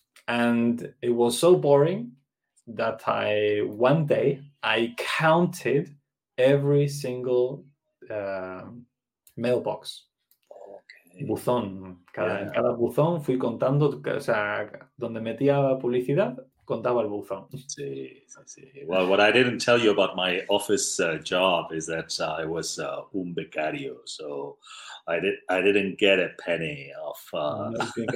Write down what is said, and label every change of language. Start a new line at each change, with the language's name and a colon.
English: And it was so boring that one day I counted every single mailbox.
Spanish: Okay. Buzón. Cada buzón fui contando, o sea, donde metía publicidad, contaba el buzón. Sí.
English: Well, what I didn't tell you about my office job is that I was
Spanish: un becario,
English: so I didn't get a penny of.